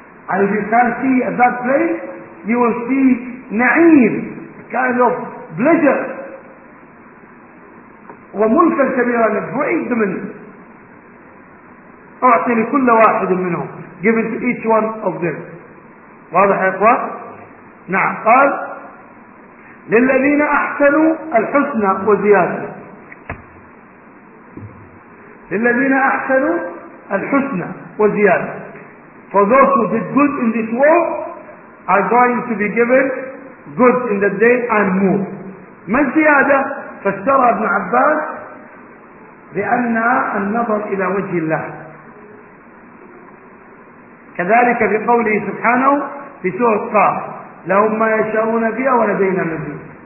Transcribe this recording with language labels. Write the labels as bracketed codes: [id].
[en] And if you can see at that place, you will see na'im, a kind of pleasure. [ar] وَمُلْكَ الْكَبِيرَانِ بُعِيدْ مِنْهُ أُعْطِي لِكُلَّ وَاحِدٍ مِنْهُمْ, [en] given to each one of them. [ar] واضح يا إخوة؟ نعم. قال لِلَّذِينَ أَحْسَنُوا الْحُسْنَى وَزِيَادَةً. لِلَّذِينَ أَحْسَنُوا الْحُسْنَى وَزِيَادَةً. [en] For those who did good in this world are going to be given good in the day and more. [ar] ما الزيادة؟ فسر ابن عباس بأن النظر إلى وجه الله. كذلك في قوله سبحانه في سورة قاف, لهم ما يشاءون فيها ولدينا مزيد.